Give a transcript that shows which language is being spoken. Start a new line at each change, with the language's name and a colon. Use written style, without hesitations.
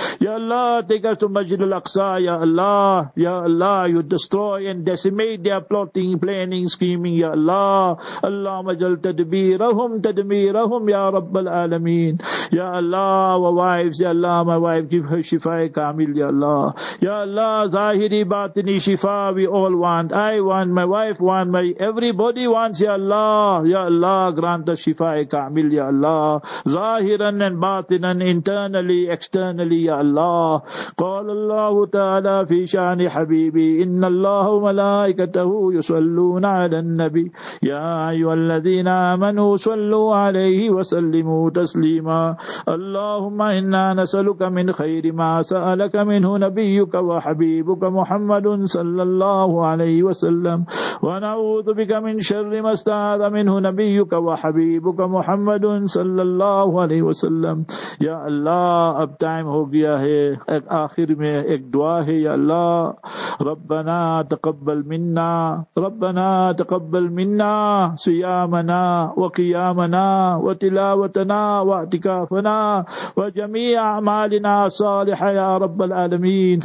Arabic: يا الله
English: take us to
Arabic: مسجد الاقصى يا الله يا الله
English: you destroy and decimate their plotting planning scheming
Arabic: يا الله اللهم اجعل تدبيرهم تدميرهم يا رب العالمين يا الله ووائد Ya Allah,
English: my wife, give her
Arabic: shifa-e kamil, Ya Allah. Ya Allah, zahiri batini shifa,
English: we all want. I want, my wife want, my everybody wants, Ya Allah.
Arabic: Ya Allah,
English: grant us
Arabic: shifa-e kamil, Ya Allah. Zahiran and batinan,
English: internally, externally,
Arabic: Ya Allah. Qala Allahu ta'ala fi shani habibi, inna Allahu malaikatahu yusalluna ala nabi. Ya ayyuhal ladhina amanu, sallu alayhi wa sallimu taslima. اللهم إنا نسألك من خير ما سألك منه نبيك وحبيبك محمد صلى الله عليه وسلم ونعوذ بك من شر ما استعاذ منه نبيك وحبيبك محمد صلى الله عليه وسلم.
Urdu: يا الله اب ٹائم ہو گیا ہے, ایک آخر میں ایک دعا ہے.
Arabic: يا الله ربنا تقبل منا, ربنا تقبل منا صيامنا وقيامنا وتلاوتنا واعتكافنا وجميع اعمالنا الصالحه يا رب العالمين.